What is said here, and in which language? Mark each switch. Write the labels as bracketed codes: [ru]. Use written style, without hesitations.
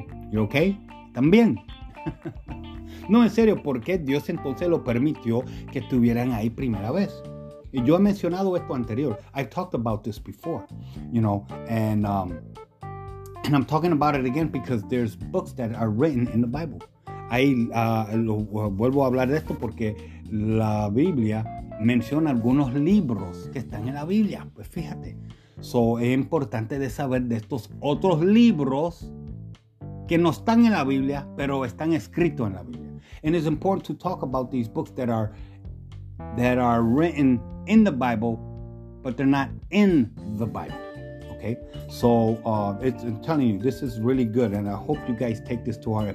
[en] You okay? [es] También. No, en serio, ¿por qué Dios entonces lo permitió que estuvieran ahí primera vez? Y yo he mencionado esto anterior. [en] I've talked about this before, you know, and I'm talking about it again because there's books that are written in the Bible. [es] Ahí vuelvo a hablar de esto porque la Biblia menciona algunos libros que están en la Biblia. Pues fíjate. So, es importante de saber de estos otros libros que no están en la Biblia, pero están escritos en la Biblia. [en] And it's important to talk about these books that are written in the Bible, but they're not in the Bible. Okay, so I'm telling you, this is really good, and I hope you guys take this to heart.